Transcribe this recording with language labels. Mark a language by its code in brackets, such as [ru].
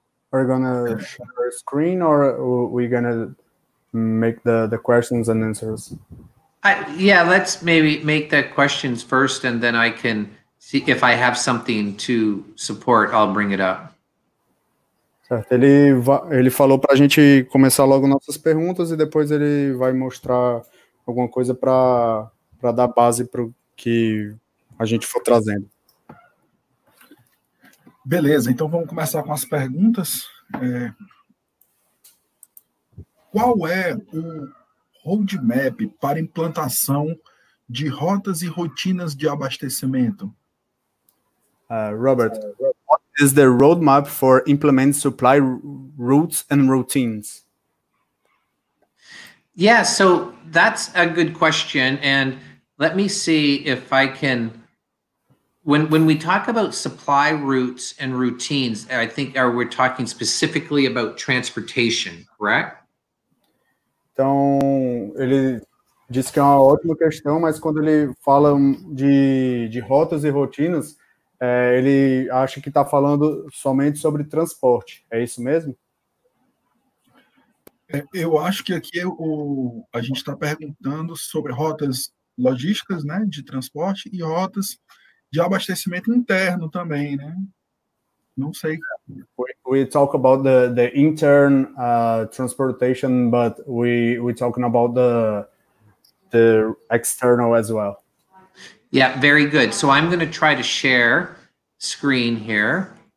[en] Are you going to share the screen or are we going to make the questions and answers? Let's maybe make the questions first and then I can see if I have something to support, I'll bring it up. [pt] Certo, ele falou para a gente começar logo nossas perguntas e depois ele vai mostrar alguma coisa para dar base para o que a gente for trazendo. Beleza, então vamos começar com as perguntas. Qual é o roadmap para implantação de rotas e rotinas de abastecimento? [en] Robert, what is the roadmap for implementing supply routes and routines? Yeah, so that's a good question, and let me see if I can... When we talk about supply routes and routines, I think we're talking specifically about transportation, correct? [pt] Então, ele disse que é uma ótima questão, mas quando ele fala de rotas e rotinas, ele acha que está falando somente sobre transporte. É isso mesmo? Eu acho que aqui a gente está perguntando sobre rotas logísticas, né, de transporte e rotas de abastecimento interno também, né? Não sei. [en] We talk about the intern transportation, but we're talking about the external as well. Yeah, very good. So I'm going to try to share screen here.